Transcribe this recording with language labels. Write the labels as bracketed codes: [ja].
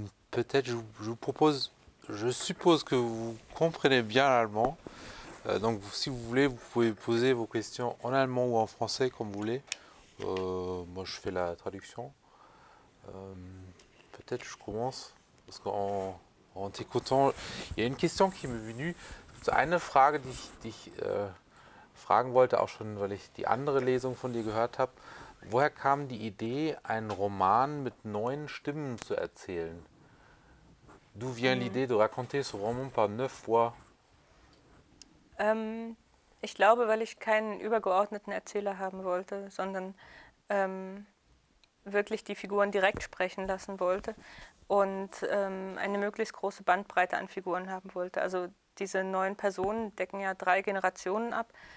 [fr] Peut-être je vous propose, je suppose que vous comprenez bien l'allemand. Donc si vous voulez, vous pouvez poser vos questions en allemand ou en français, comme vous voulez. Moi je fais la traduction. Peut-être je commence, parce qu'en t'écoutant, il y a une question qui m'est venue. C'est une [de] Frage, die ich fragen wollte, auch schon, weil ich die andere Lesung von dir gehört habe. Woher kam die Idee, einen Roman mit 9 Stimmen zu erzählen? [fr] D'où vient l'idée de raconter ce roman par 9 voix? [de] Ich glaube, weil ich keinen übergeordneten Erzähler haben wollte, sondern wirklich die Figuren direkt sprechen lassen wollte und eine möglichst große Bandbreite an Figuren haben wollte. Also diese 9 Personen decken ja 3 Generationen ab.